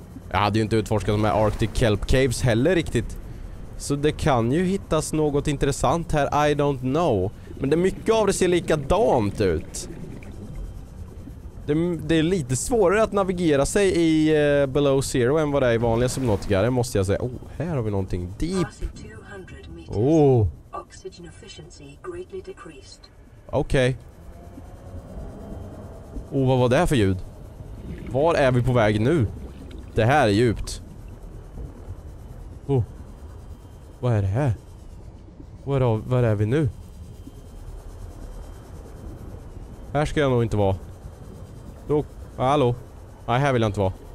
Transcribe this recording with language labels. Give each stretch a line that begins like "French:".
Swedish: Jag hade ju inte utforskat de här Arctic Kelp Caves heller riktigt. Så det kan ju hittas något intressant här.
English: I don't know.
Swedish: Men det är mycket av det ser likadant ut. Det är lite svårare att navigera sig i Below Zero än vad det är i vanliga Subnautica. Det måste jag säga. Oh, här har vi någonting. Deep. Oh.
English: Oxygen efficiency greatly decreased.
Swedish: Okej. Oh, vad var det här för ljud? Var är vi på väg nu? Det här är djupt. Oh. Vad är det här? Var är vi nu? Här ska jag nog inte vara. Då, hallå? Nej, här vill jag inte vara.